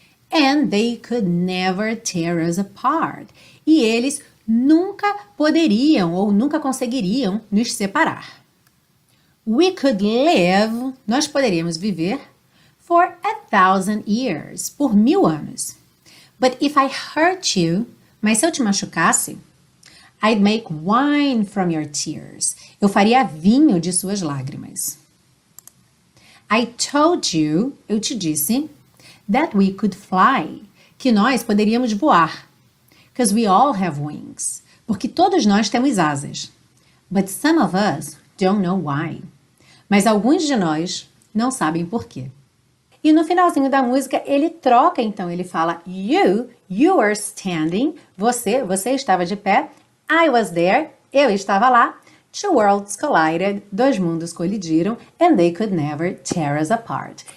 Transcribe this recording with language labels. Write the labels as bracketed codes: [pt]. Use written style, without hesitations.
[en] And they could never tear us apart. [pt] E eles nunca poderiam ou nunca conseguiriam nos separar. [en] We could live. [pt] Nós poderíamos viver. [en] For 1,000 years, [pt] por 1.000 anos. [en] But if I hurt you, [pt] mas se eu te machucasse, [en] I'd make wine from your tears. [pt] Eu faria vinho de suas lágrimas. [en] I told you, [pt] eu te disse, [en] that we could fly, [pt] que nós poderíamos voar. [en] Because we all have wings, [pt] porque todos nós temos asas. [en] But some of us don't know why. [pt] Mas alguns de nós não sabem por quê. E no finalzinho da música, ele troca, então ele fala [en] you were standing, [pt] você estava de pé, [en] I was there, [pt] eu estava lá, [en] two worlds collided, [pt] dois mundos colidiram, [en] and they could never tear us apart.